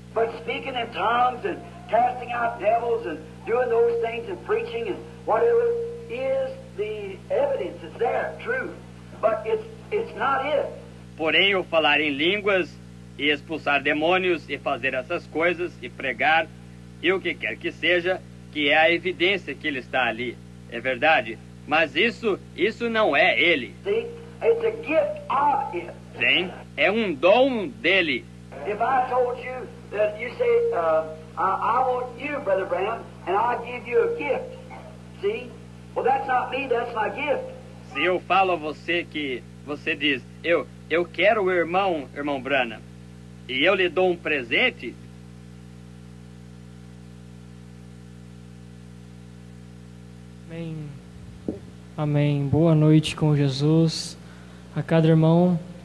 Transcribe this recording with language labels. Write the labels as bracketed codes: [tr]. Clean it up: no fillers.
[en] But speaking in tongues and casting out devils and doing those things and preaching and whatever is the evidence. It's there, true. But it's not it. [pt] Porém, o falar em línguas e expulsar demônios e fazer essas coisas e pregar e o que quer que seja, que é a evidência que ele está ali. É verdade. Mas isso não é ele. [en] See? It's a gift of it. [pt] Sim, é um dom dele. [en] If I told you that you say, I want you, Brother Branham, and I give you a gift. See? Well, that's not me, that's my gift. [pt] Se eu falo a você que você diz, eu quero o irmão, irmão Branham, e eu lhe dou um presente. Amém. Amém. Boa noite com Jesus a cada irmão.